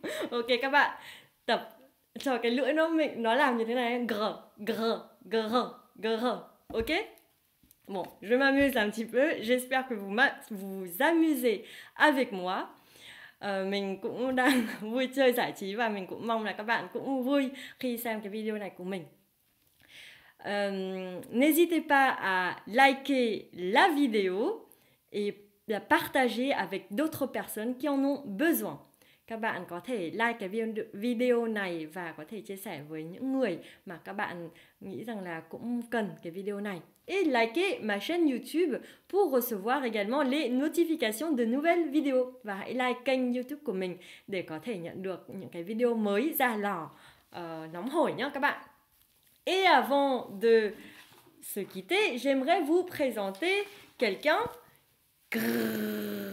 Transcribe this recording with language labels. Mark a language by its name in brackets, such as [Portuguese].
[Vietnamese] Ok, các bạn, tập cho cái lưỡi nó làm như thế này, G, G, G, G, ok? [French] Bon, je m'amuse un petit peu, j'espère que vous amusez avec moi. [Vietnamese] Mình cũng đang vui chơi giải trí và mình cũng mong là các bạn cũng vui khi xem cái video này của mình. [French] N'hésitez pas à liker la vidéo et la partager avec d'autres personnes qui en ont besoin. [Vietnamese] Các bạn có thể like cái video này và có thể chia sẻ với những người mà các bạn nghĩ rằng là cũng cần cái video này. [French] Et likez ma chaîne YouTube pour recevoir également les notifications de nouvelles vidéos. [Vietnamese] Và hãy like kênh YouTube của mình để có thể nhận được những cái video mới ra lò nóng hổi nhé các bạn. [French] Et avant de se quitter, j'aimerais vous présenter quelqu'un. Grrr.